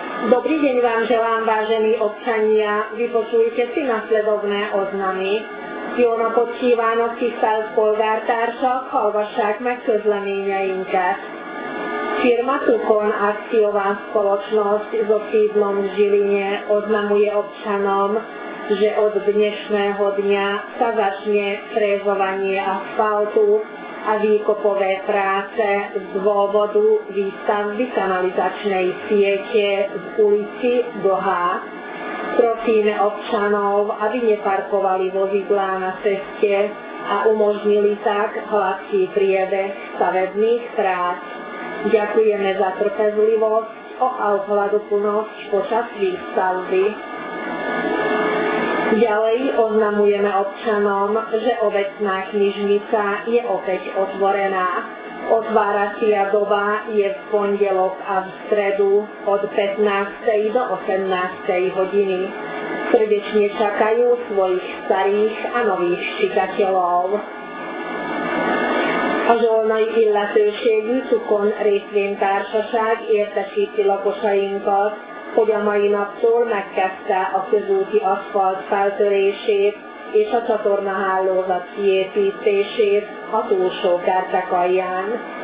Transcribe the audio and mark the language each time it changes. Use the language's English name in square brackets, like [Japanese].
[Slovak] Dobrý deň vám želám, vážení občania. Vypočujte si nasledovné oznamy. [Hungarian] Jóna počívanok kisztelt polgártársak, hallgassák meg közleményeinket. [Slovak] Firma Tukon Akcióván Spoločnosť so sídlom v Žiline oznamuje občanom, že od dnešného dňa sa začne frézovanie asfaltu a výkopové práce z dôvodu výstavby kanalizačnej siete v ulici Dlhá. Prosíme občanov, aby neparkovali vozidlá na ceste a umožnili tak hladší priebeh stavebných prác. Ďakujeme za trpezlivosť o ohľaduplnosť počas výstavby. Ďalej oznamujeme občanom, že obecná knižnica je opäť otvorená. Otváracia doba je v pondelok a v stredu od 15. do 18. hodiny. Srdečne čakajú svojich starých a nových čitateľov. [Hungarian] A zsolnai illetőségű Tukon részvénytársaság értesíti lakosainkat, hogy a mai naptól megkezdte a közúti aszfalt feltörését és a csatornahálózat kiépítését a túlsó kertek alján.